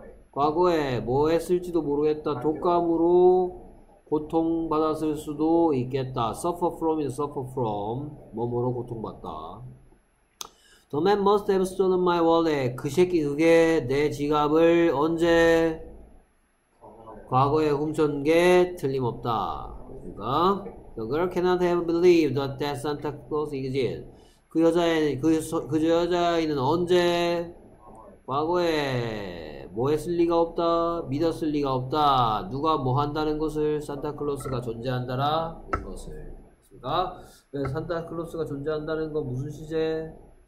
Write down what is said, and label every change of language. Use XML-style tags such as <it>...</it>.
<ko>과거에 뭐 했을지도 모르겠다. 독감으로 고통받았을 수도 있겠다.</ko> <en>Suffer from is suffer from.</en> <ko>뭐뭐로 고통받다.</ko> <en>The man must have stolen my wallet.</en> <ko>그 새끼 그게 내 지갑을 언제? 과거에 훔쳤 게 틀림없다.</ko> <en>그러니까 The girl cannot have believed that Santa Claus exists.</en> <ko>그 여자애는 언제 과거에 뭐 했을 리가 없다, 믿었을 리가 없다, 누가 뭐 한다는 것을 산타클로스가 존재한다라 이런 것을 했습니다. 그래서 산타클로스가 존재한다는 건 무슨 시제?</ko>